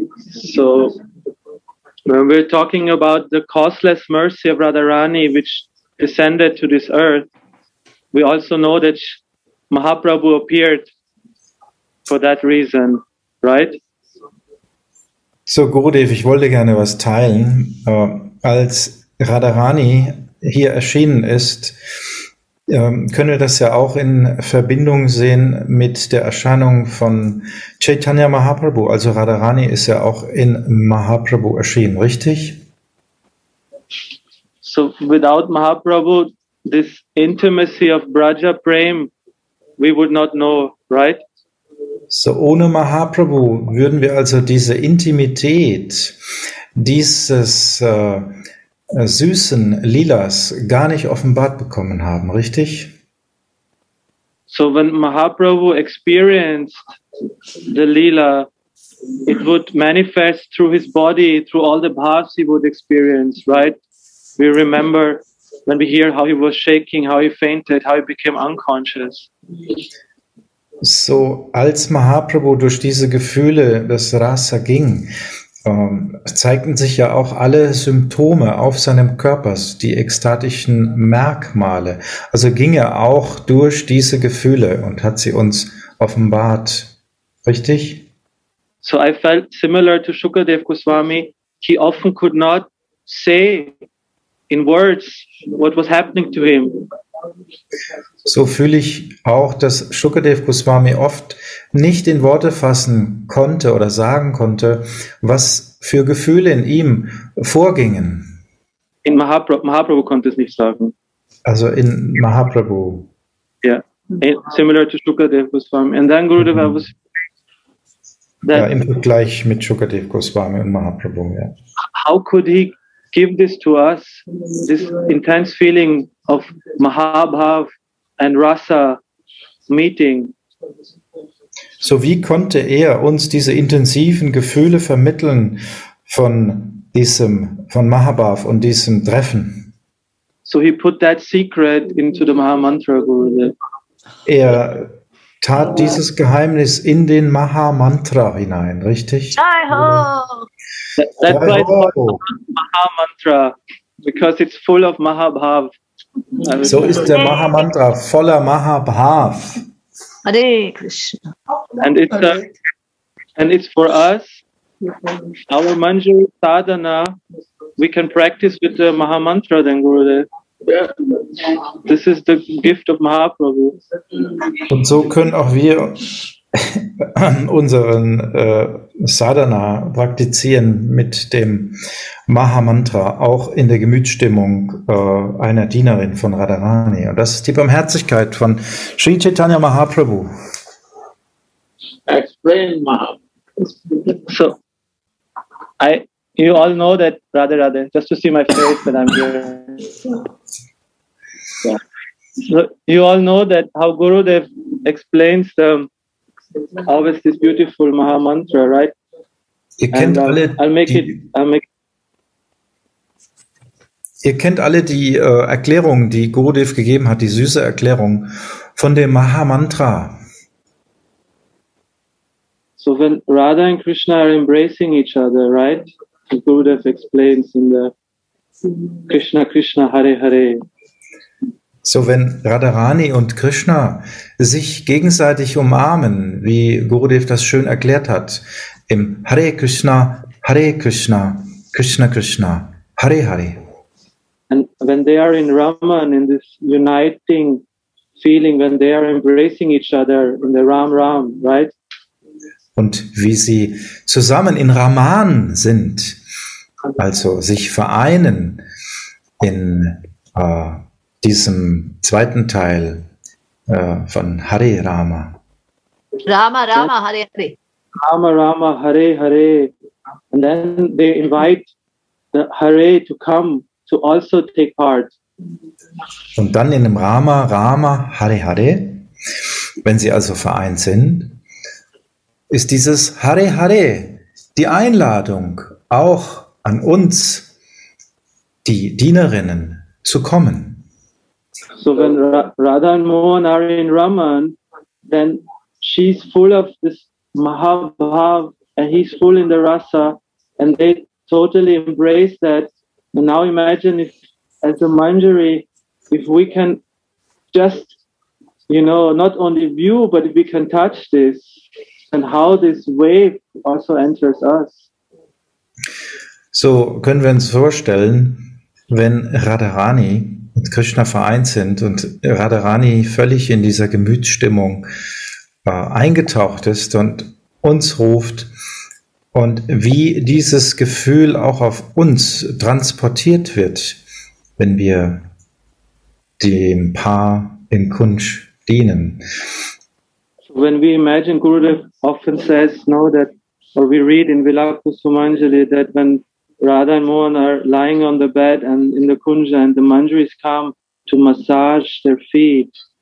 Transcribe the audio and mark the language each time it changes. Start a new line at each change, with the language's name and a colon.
English: So, when we're talking about the causeless mercy of Radharani, which descended to this earth, we also know that Mahaprabhu appeared for that reason, right?
German: So Gurudev, ich wollte gerne was teilen. Als Radharani hier erschienen ist, können wir das ja auch in Verbindung sehen mit der Erscheinung von Chaitanya Mahaprabhu. Also Radharani ist ja auch in Mahaprabhu erschienen, richtig?
English: So without Mahaprabhu, this intimacy of Braja Prem, we would not know, right?
German: So ohne Mahaprabhu würden wir also diese Intimität dieses süßen Lilas gar nicht offenbart bekommen haben, richtig?
English: So when Mahaprabhu experienced the Lila, it would manifest through his body, through all the bhavs he would experience, right? We remember when we hear how he was shaking, how he fainted, how he became unconscious.
German: So als Mahaprabhu durch diese Gefühle des Rasa ging, zeigten sich ja auch alle Symptome auf seinem Körper, die ekstatischen Merkmale. Also ging er auch durch diese Gefühle und hat sie uns offenbart. Richtig?
English: So I felt similar to Shukadev Goswami. He often could not say in words what was happening to him.
German: So fühle ich auch, dass Shukadev Goswami oft nicht in Worte fassen konnte oder sagen konnte, was für Gefühle in ihm vorgingen. In Mahaprabhu konnte es nicht sagen. Also in Mahaprabhu.
English: Yeah, similar to Shukadev Goswami. And then Gurudev, I was.
German: That, ja, im Vergleich mit Shukadev Goswami und Mahaprabhu, ja.
English: How could he give this to us, this intense feeling of Mahabhav and Rasa meeting?
German: So wie konnte er uns diese intensiven Gefühle vermitteln von Mahabhav und diesem Treffen?
English: So he put that secret into the Mahamantra, Gurudev.
German: Er tat dieses Geheimnis in den Mahamantra hinein, richtig?
Hindi: Jai Ho!
English: That's why it's called Mahamantra, because it's full of Mahabhav.
German: So ist der Mahamantra voller Mahabhav.
Sanskrit: Hare Krishna.
English: And it's for us, our manjari sadhana, we can practice with the Mahamantra then, Gurudev. This is the gift of Mahaprabhu.
German: Und so können auch wir unseren Sadhana praktizieren mit dem Mahamantra, auch in der Gemütsstimmung einer Dienerin von Radharani. Und das ist die Barmherzigkeit von Sri Chaitanya Mahaprabhu.
English: Explain, Mahaprabhu. So, you all know that Radharade, just to see my face that I'm here. Yeah. So, you all know that how Gurudev explains the always this beautiful Maha Mantra, right?
German: Ihr kennt and, alle Ihr kennt alle die Erklärung, die Gurudev gegeben hat, die süße Erklärung von dem Maha Mantra.
English: So when Radha and Krishna are embracing each other, right? The Gurudev explains in the Krishna Krishna Hare Hare.
German: So, wenn Radharani und Krishna sich gegenseitig umarmen, wie Gurudev das schön erklärt hat, im Hare Krishna, Hare Krishna, Krishna Krishna, Hare Hare.
English: And when they are in Raman, in this uniting feeling, when they are embracing each other in the Ram Ram, right?
German: Und wie sie zusammen in Raman sind, also sich vereinen in diesem zweiten Teil von Hare Rama.
Sanskrit: Rama Rama Hare Hare. Rama Rama Hare Hare.
English: And then they invite the Hare to come to also take part.
German: Und dann in dem Rama Rama Hare Hare, wenn sie also vereint sind, ist dieses Hare Hare die Einladung auch an uns, die Dienerinnen, zu kommen.
English: So when Radha and Mohan are in Raman, then she's full of this Mahabhav and he's full in the Rasa and they totally embrace that. And now imagine if as a Manjari, if we can just, you know, not only view, but if we can touch this and how this wave also enters us.
German: So können wir uns vorstellen, wenn Radharani und Krishna vereint sind und Radharani völlig in dieser Gemütsstimmung eingetaucht ist und uns ruft und wie dieses Gefühl auch auf uns transportiert wird, wenn wir dem Paar in Kunsch dienen.
English: When we imagine, Gurudev often says, now that, or we read in Vilakusumanjali, that when Radha and Mohan are lying on the bed and in the kunja and the manjaris come to massage their feet.